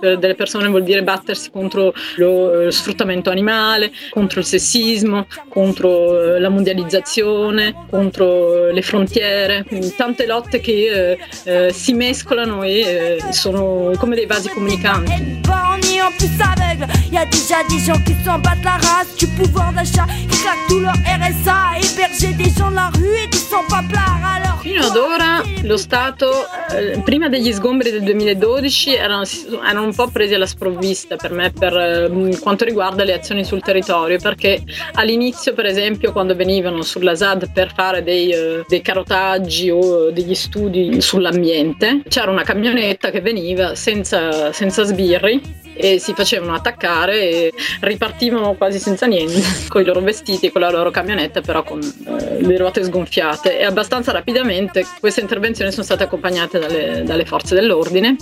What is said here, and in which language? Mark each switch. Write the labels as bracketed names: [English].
[Italian] Per delle persone vuol dire battersi contro lo sfruttamento animale, contro il sessismo, contro la mondializzazione, contro le frontiere, quindi tante lotte che si mescolano e sono come dei vasi comunicanti. [French] En plus aveugle, y'a déjà des gens qui s'en battent la race du pouvoir d'achat, qui claquent tout leur RSA, héberger des gens de la rue et qui sont pas plards alors. [Italian] Fino ad ora lo Stato, prima degli sgombri del 2012, erano un po' presi alla sprovvista per me per quanto riguarda le azioni sul territorio, perché all'inizio, per esempio, quando venivano sulla SAD per fare dei carotaggi o degli studi sull'ambiente, c'era una camionetta che veniva senza sbirri e si facevano attaccare e ripartivano quasi senza niente con i loro vestiti, con la loro camionetta, però con le ruote sgonfiate, e abbastanza rapidamente queste intervenzioni sono state accompagnate dalle forze dell'ordine.